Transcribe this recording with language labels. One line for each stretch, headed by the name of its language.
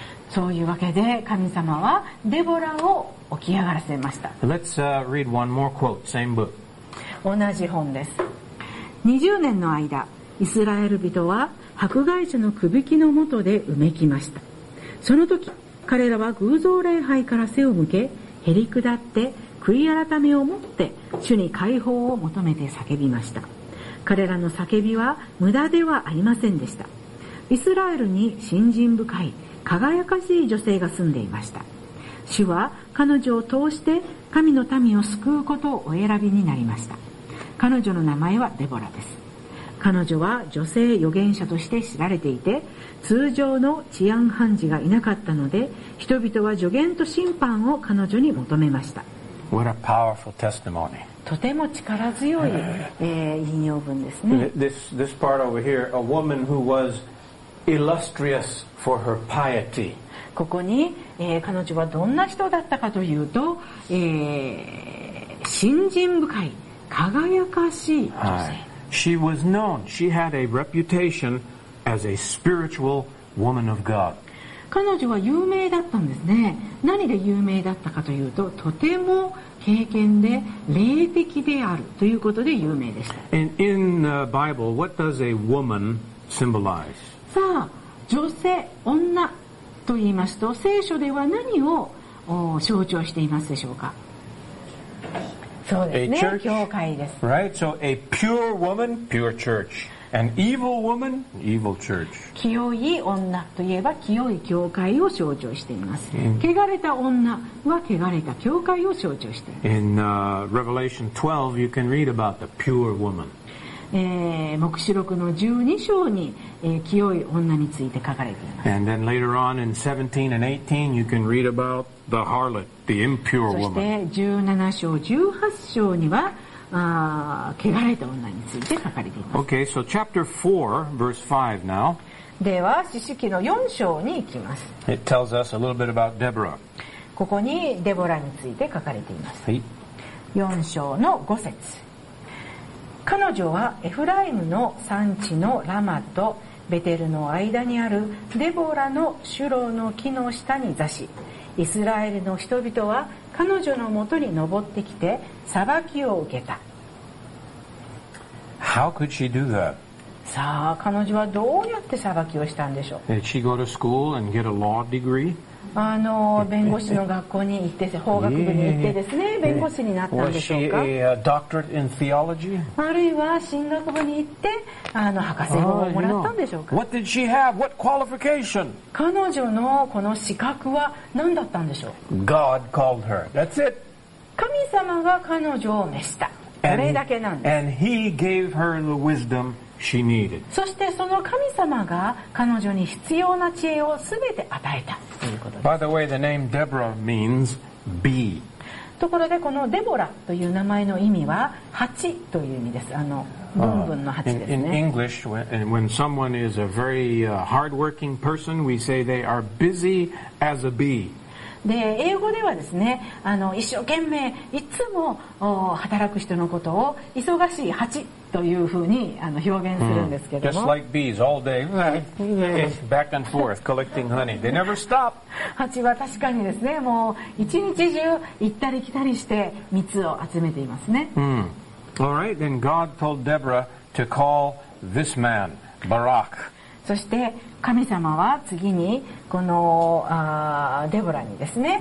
Japanese: そういうわけで神様はデボラを起き上がらせました。
English: Let's read one more quote, same book.
Japanese: 同じ本です。 20年の間イスラエル人は迫害者のくびきのもとでうめきました。その時彼らは偶像礼拝から背を向け、へり下って悔い改めを持って主に解放を求めて叫びました。彼らの叫びは無駄ではありませんでした。イスラエルに信心深い輝かしい女性が住んでいました。主は彼女を通して神の民を救うことをお選びになりました。彼女の名前はデボラです。彼女は女性預言者として知られていて、通常の治安判事がいなかったので人々は助言と審判を彼女に求めました。
English: What a powerful testimony.
Japanese: とても力強い、引用文ですね。
English: This part over here, a woman who wasIllustrious for her piety.
Japanese: ここに、彼女はどんな人だったかというと、信心深い輝かしい女性。はい。
English: She was known. She had a reputation as a spiritual woman of God.
Japanese: 彼女は有名だったんですね。何で有名だったかというと、とても経験で霊的であるということで有名でした。
English: And in the Bible, what does a woman symbolize?
Japanese: さあ女性、女と言いますと聖書では何を象徴していますでしょうか。そうですね、教会です。
English: Right, so a pure woman, pure church. An evil woman, evil church.
Japanese: 清い女といえば清い教会を象徴しています。汚れた女は汚れた教会を象徴しています。
English: In Revelation 12 you can read about the pure woman.
Japanese: 黙示録の12章に、清い女について書かれています。
English: And then later on in 17 and 18 you can read about the harlot, the impure woman.
Japanese: そして17章18章には汚れた女について書かれています。
English: Okay, so chapter 4 verse 5 now.
Japanese: では四世紀の4章に行きます。
English: It tells us a little bit about Deborah.
Japanese: ここにデボラについて書かれています、はい、4章の5節、彼女はエフライムの産地のラマとベテルの間にあるデボラのシュロの木の下に座し、イスラエルの人々は彼女のもとに登ってきて裁きを受けた。
English: How could she do that?
Japanese: さあ、彼女はどうやって裁きをしたんでしょう。
English: Did she go to school and get a law degree?
Japanese: 弁護士の学校に行って、法学部に行ってですね、弁護士になったんでしょうか。
English: Was she a doctorate in theology?
Japanese: あるいは神学部に行って博士号をもらったんでしょうか。
English: What did she have? What qualification?
Japanese: 彼女のこの資格は何だったんでしょう。
English: God called her. That's it.
Japanese: 神様が彼女を召した、それだけなんです。
English: And he gave her the wisdom she needed.
Japanese: そしてその神様が彼女に必要な知恵をすべて与えた。
English: By the way, the name Deborah means bee.
Japanese: ところでこのデボラという名前の意味は蜂という意味です。ブンブンの蜂ですね。
English: In English, when someone is a very hardworking person, we say they are busy as a bee.
Japanese: で、英語ではですね、一生懸命いつも働く人のことを忙しい蜂というふうに表現するんですけども、
English: Just like bees, all day, back and forth, collecting honey. They never stop.
Japanese: 蜂は確かにですね、もう一日中行ったり来たりして蜜を集めていますね。
English: All right, then God told Deborah to call this man, Barak.
Japanese: そして神様は次にこのデボラにですね、